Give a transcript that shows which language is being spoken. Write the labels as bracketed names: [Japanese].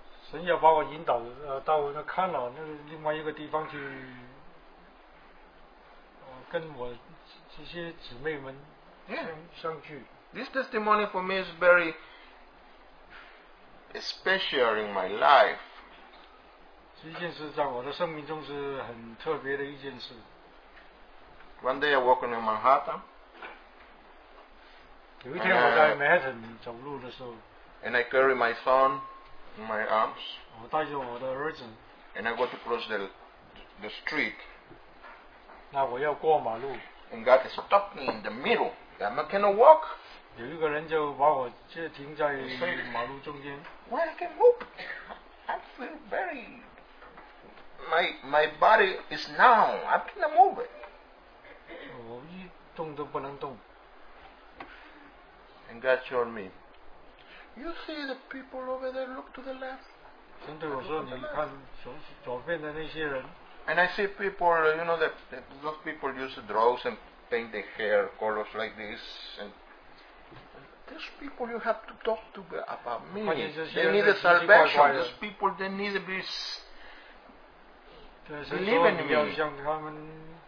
[Chinese] 神要把我引导到那看了那个另外一个地方去。跟我这些姊妹们 相聚。 [English] This testimony for me is very special in my life. [Chinese] 这件事在我的生命中是很特别的一件事。 [English] One day I walk in Manhattan. [Chinese] 有一天我在 Manhattan 走路的时候。 [English] And I carry my son in my arms. [Chinese] 我带着我的儿子。 [English] And I go to cross the street. [Chinese] 那我要过马路。 [English] And God stopped me in the middle. I cannot walk. [Chinese] 有一个人就把我就停在马路中间。 [English] Well, I can move. I feel very. My body is numb. I cannot move. [Chinese] 我一动都不能动。 [English] And God showed me. You see the people over there. Look to the left. [Chinese] 真的，我说你看左边的那些人。 [English] And I see people, you know, that those people use drugs and paint their hair colors like this. And these people you have to talk to about me. They need a salvation. These people, they need to be believing in me.